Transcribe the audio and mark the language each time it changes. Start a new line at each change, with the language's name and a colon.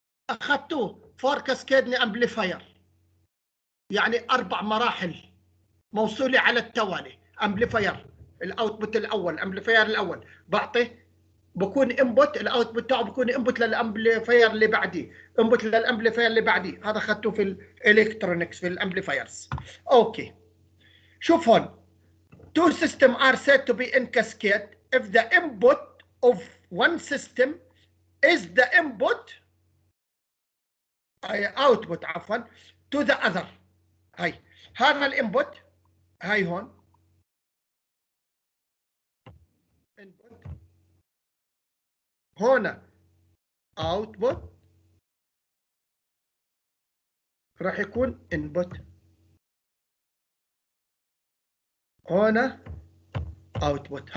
Arabic: أخذته فور كاسكيدني أمبليفاير، يعني أربع مراحل موصولة على التوالي. أمبليفاير الأوتبوت الأول، أمبليفاير الأول بعطي بكون إنبوت، الأوتبوت تاعه بكون إنبوت للأمبليفاير اللي بعدي، إنبوت للأمبليفاير اللي بعدي. هذا أخذته في الإلكترونيكس في الأمبليفايرز. أوكي شوف هون،
English: two systems are said to be in cascade if the input of one system is the input output
Arabic: عفوا
English: to the other.
Arabic: هاي هذا الانبوت، هاي هون input. هنا output راح يكون input، هنا output.